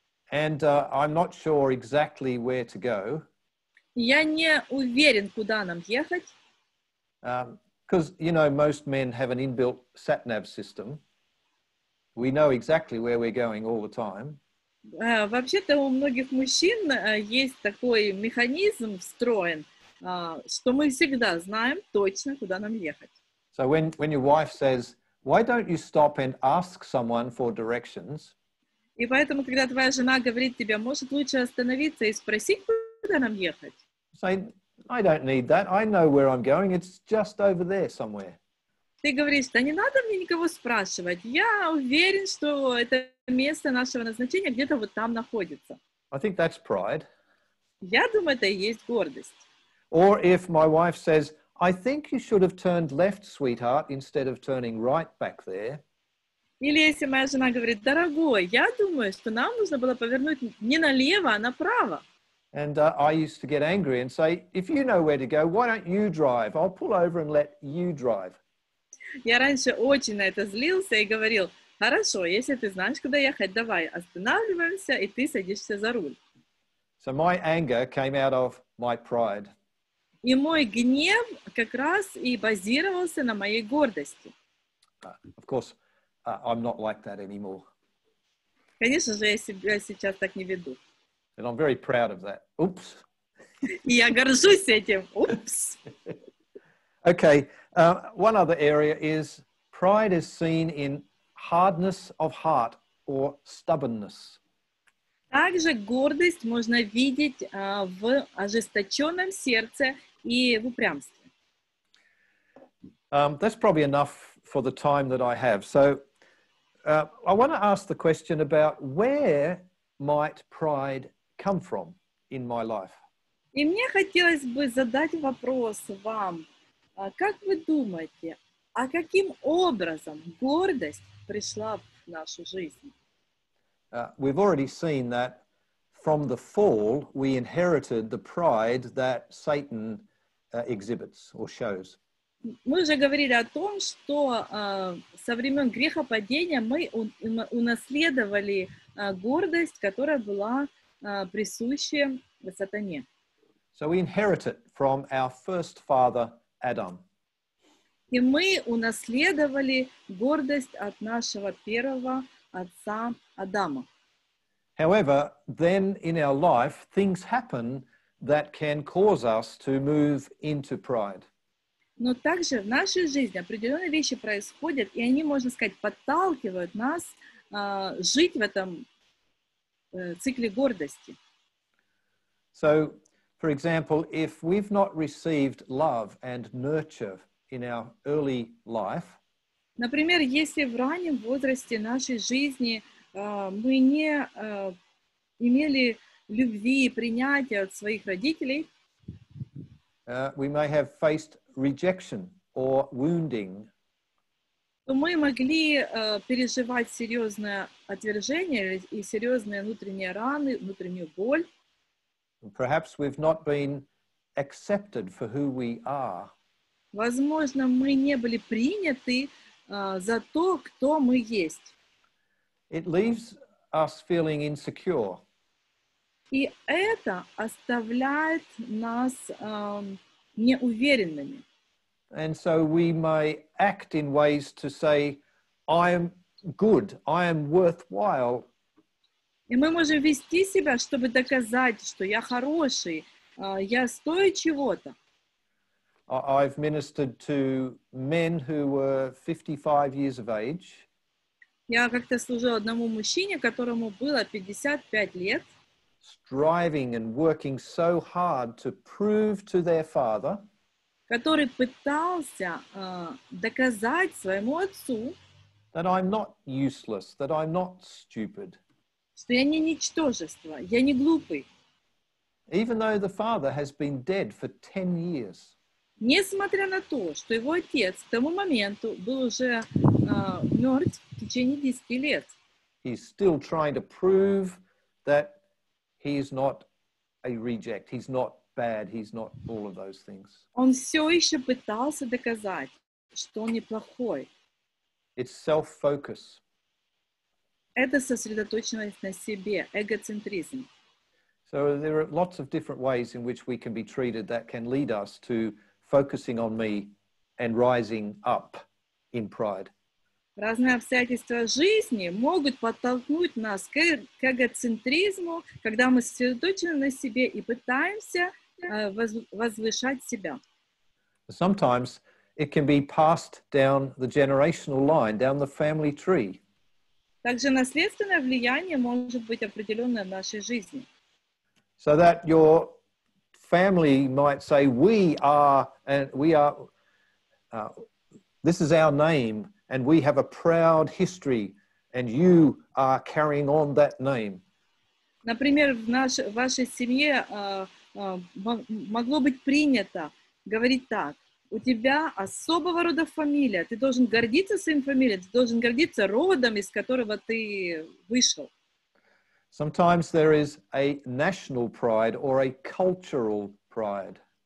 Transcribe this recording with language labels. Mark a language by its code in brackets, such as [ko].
[en] And I'm not sure exactly where to go. [ru] Я не уверен, куда нам ехать. [en] Because you know, most men have an inbuilt sat nav system. We know exactly where we're going all the time. [ru] Вообще-то у многих мужчин есть такой механизм встроен, что мы всегда знаем точно, куда нам ехать. [en] So when your wife says, why don't you stop and ask someone for directions? [ru] И поэтому, когда твоя жена говорит тебе, может лучше остановиться и спросить, куда нам ехать? [en] Say, I don't need that. I know where I'm going. It's just over there somewhere. [ru] Ты говоришь, да не надо мне никого спрашивать. Я уверен, что это место нашего назначения где-то вот там находится. [en] I think that's pride. [ru] Я думаю, это и есть гордость. [en] Or if my wife says, I think you should have turned left, sweetheart, instead of turning right back there. [ru] Или если моя жена говорит, дорогой, я думаю, что нам нужно было повернуть не налево, а направо. [en] And I used to get angry and say, if you know where to go, why don't you drive? I'll pull over and let you drive. [ru] Я раньше очень на это злился и говорил, хорошо, если ты знаешь, куда ехать, давай, останавливаемся, и ты садишься за руль. [en] So my anger came out of my pride. [ru] И мой гнев как раз и базировался на моей гордости. [en] Of course, I'm not like that anymore. [ru] Конечно же, я себя сейчас так не веду. [en] And I'm very proud of that. Oops. [ru] Я горжусь этим. Oops. [en] Okay. One other area is pride is seen in hardness of heart or stubbornness. [ru] Также гордость можно видеть в ожесточенном сердце и в упрямстве. [en] That's probably enough for the time that I have. So I want to ask the question about where might pride come from in my life. [ru] И мне хотелось бы задать вопрос вам. Как вы думаете, а каким образом гордость пришла в нашу жизнь? [en] We've already seen that from the fall we inherited the pride that Satan exhibits or shows. [ru] Мы уже говорили о том, что со времен грехопадения мы унаследовали гордость, которая была присуще сатане. [en] So we inherit it from our first father Adam. [ru] И мы унаследовали гордость от нашего первого отца Адама. [en] However, then in our life things happen that can cause us to move into pride. [ru] Но также в нашей жизни определенные вещи происходят, и они, можно сказать, подталкивают нас жить в этом цикле гордости. [en] So, for example, if we've not received love and nurture in our early life, [ru] например, если в раннем возрасте нашей жизни мы не имели любви и принятия от своих родителей, [en] we may have faced rejection or wounding. [ru] То мы могли переживать серьезное отвержение и серьезные внутренние раны, внутреннюю боль. [en] Perhaps we've not been accepted for who we are. [ru] Возможно, мы не были приняты за то, кто мы есть. [en] It leaves us feeling insecure. [ru] И это оставляет нас неуверенными. [en] And so we may act in ways to say, I am good, I am worthwhile. [ru] И мы можем вести себя, чтобы доказать, что я хороший, я стою чего-то. [en] I've ministered to men who were 55 years of age. [ru] Я как-то служил одному мужчине, которому было 55 лет. [en] Striving and working so hard to prove to their father, [ru] который пытался доказать своему отцу, [en] that I'm not useless, that I'm not stupid. [ru] Что я не ничтожество, я не глупый. [en] Even though the father has been dead for 10 years. [ru] Несмотря на то, что его отец к тому моменту был уже мертв в течение 10 лет. [en] He's still trying to prove that he is not a reject, he's not bad, he's not all of those things. [ru] Он все еще пытался доказать, что он неплохой. [en] It's self-focus. [ru] Это сосредоточенность на себе, эгоцентризм. [en] So there are lots of different ways in which we can be treated that can lead us to focusing on me and rising up in pride. [ru] Разные обстоятельства жизни могут подтолкнуть нас к эгоцентризму, когда мы сосредоточены на себе и пытаемся возвышать себя. [en] Sometimes it can be passed down the generational line, down the family tree. [ru] Также наследственное влияние может быть определенное в нашей жизни. [en] So that your family might say, this is our name, and we have a proud history, and you are carrying on that name. [ru] Например, в вашей семье могло быть принято говорить так. У тебя особого рода фамилия. Ты должен гордиться своим фамилией. Ты должен гордиться родом, из которого ты вышел. [en] Sometimes there is a national pride or a cultural pride.